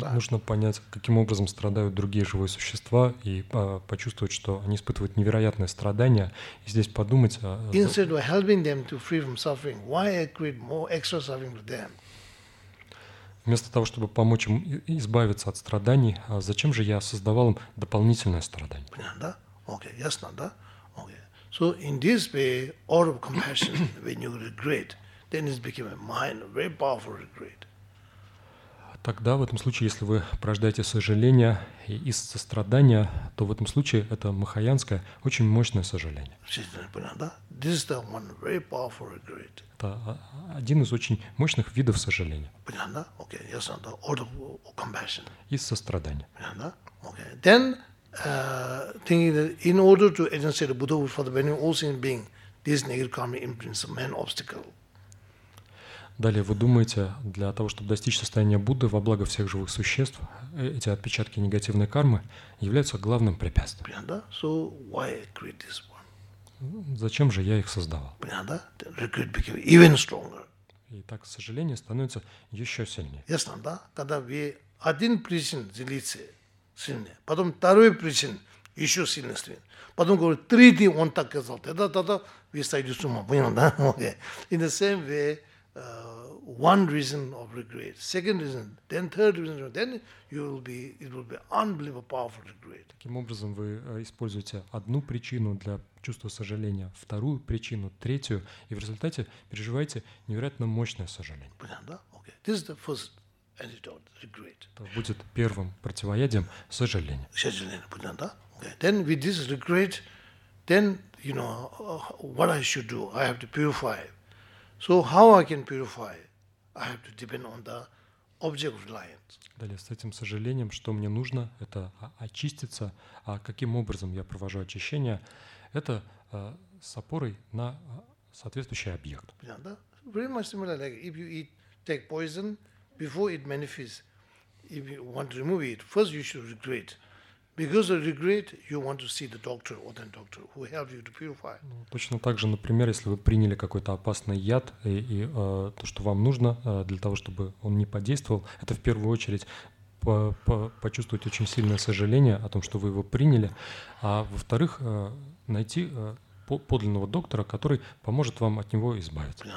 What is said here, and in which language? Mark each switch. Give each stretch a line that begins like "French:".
Russian: Вам нужно понять, каким образом страдают другие живые существа и почувствовать, что они испытывают невероятное страдание. И здесь подумать.
English: Instead of helping them to free from suffering, why I create more extra suffering for them?
Russian: Вместо того, чтобы помочь им избавиться от страданий, зачем же я создавал им дополнительное страдание? Понятно, да? Окей, ясно, да? Окей.
English: So in this way, out of compassion, when you regret, then it became a mind, very powerful regret.
Russian: Тогда, в этом случае, если вы порождаете сожаление из сострадания, то в этом случае это махаянское, очень мощное сожаление. Это один из очень мощных видов сожаления. Понятно? Окей, ясно, да? Out of compassion. Из сострадания. Понятно? Окей.
English: Then, thinking that in order to agency the Buddha for the benefit of all sentient beings, this negative karma imprints a main obstacle.
Russian: Далее вы думаете, для того, чтобы достичь состояния Будды во благо всех живых существ, эти отпечатки негативной кармы являются главным препятствием.
English: Понятно? So why I create this one?
Russian: Зачем же я их создавал?
English: Понятно? Then regret became even stronger.
Russian: И так сожаление становится еще сильнее. Ясно, да? Когда вы один причин делится сильнее, потом второй причин еще сильнее, потом говорит, третий он так сказал, тогда вы сойдете с ума. Понятно, да? Okay.
English: In the same way, one reason of regret, second reason, then third reason, then it will be unbelievable powerful regret.
Russian: Таким образом, вы используете одну причину для чувства сожаления, вторую причину, третью, и в результате переживаете невероятно мощное сожаление.
English: Понятно, да? Okay. This is the first antidote, regret.
Russian: Это будет первым противоядием сожаления.
English: Сожаление, понятно, да? Okay. Then with this regret, then, you know, what I should do? I have to purify. So how I can purify? I have to depend on the object of reliance.
Russian: Далее, с этим сожалением, что мне нужно, это очиститься. А каким образом я провожу очищение? Это с опорой на соответствующий объект. Yeah, да?
English: Very much similar, like if you eat, take poison, before it manifests, if you want to remove it, first you should regret. Because of regret, you want to see the doctor or the doctor who helped you to purify.
Russian: Точно так же, например, если вы приняли какой-то опасный яд, и то, что вам нужно для того, чтобы он не подействовал, это в первую очередь почувствовать очень сильное сожаление о том, что вы его приняли, а во-вторых, найти подлинного доктора, который поможет вам от него избавиться.